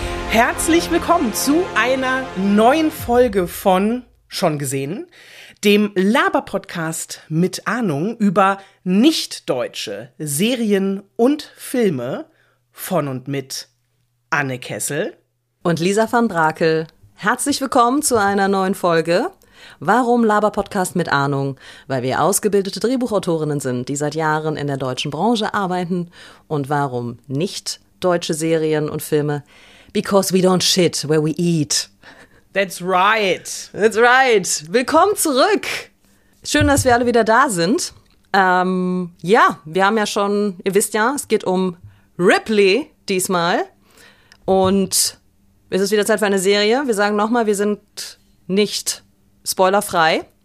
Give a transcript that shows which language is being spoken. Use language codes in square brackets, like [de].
[de] Herzlich willkommen zu einer neuen Folge von Schon gesehen, dem Laber-Podcast mit Ahnung über nicht-deutsche Serien und Filme von und mit Anne Kessel und Lisa van Brakel. Herzlich willkommen zu einer neuen Folge. Warum Laber-Podcast mit Ahnung? Weil wir ausgebildete Drehbuchautorinnen sind, die seit Jahren in der deutschen Branche arbeiten. Und warum nicht deutsche Serien und Filme? [en] Because we don't shit where we eat. That's right. That's right. [de] Willkommen zurück. Schön, dass wir alle wieder da sind. Ja, wir haben ja schon, ihr wisst ja, es geht um Ripley diesmal. Und es ist wieder Zeit für eine Serie. Wir sagen nochmal, wir sind nicht spoilerfrei.